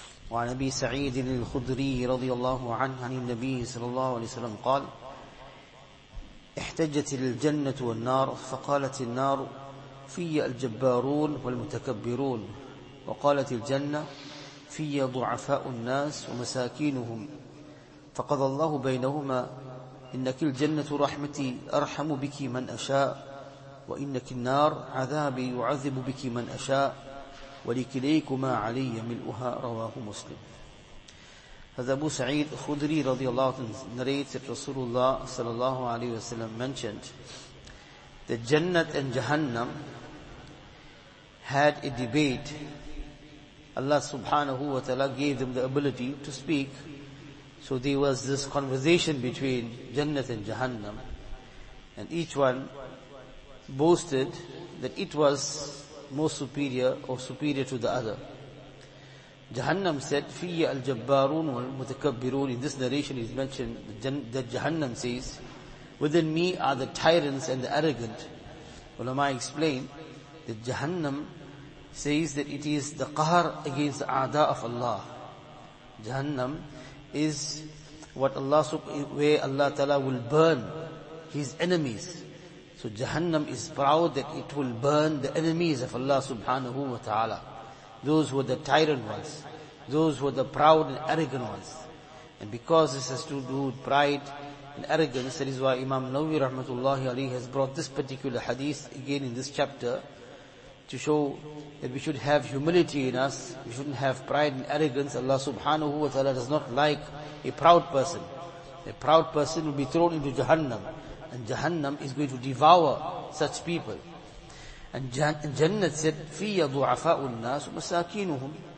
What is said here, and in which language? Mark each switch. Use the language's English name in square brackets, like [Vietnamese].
[Arabic] وعن أبي سعيد الخدري رضي الله عنه عن النبي صلى الله عليه وسلم قال: احتجت الجنة والنار، فقالت النار: في الجبارون والمتكبرون، وقالت الجنة: في ضعفاء الناس ومساكينهم، فقضى الله بينهما: إنك الجنة رحمتي أرحم بك من أشاء، وإنك النار عذابي يعذب بك من أشاء، ولكليكما علي ملؤها. رواه مسلم. هذا أبو سعيد خدري رضي الله عنه [English] narrated [Arabic] رسول الله صلى الله عليه وسلم [English] mentioned that Jannat and Jahannam had a debate. Allah subhanahu wa ta'ala gave them the ability to speak. So there was this conversation between Jannat and Jahannam, and each one boasted that it was more superior or superior to the other. Jahannam said, [Arabic] فِيَّ الْجَبَّارُونَ وَالْمُتَكَبِّرُونَ. [English] In this narration is mentioned that Jahannam says, within me are the tyrants and the arrogant. Ulama explained that Jahannam says that it is the qahar against the a'da of Allah. Jahannam is what Allah, where Allah Ta'ala will burn his enemies. So Jahannam is proud that it will burn the enemies of Allah subhanahu wa ta'ala. Those who are the tyrant ones. Those who are the proud and arrogant ones. And because this has to do with pride and arrogance, that is why Imam Nawawi rahmatullahi alayhi has brought this particular hadith again in this chapter to show that we should have humility in us. We shouldn't have pride and arrogance. Allah subhanahu wa ta'ala does not like a proud person. A proud person will be thrown into Jahannam. And Jahannam is going to devour such people. And Jannat said, [Arabic] فِيَّ ضُعَفَاءُ النَّاسُ مَسَاكِينُهُمْ.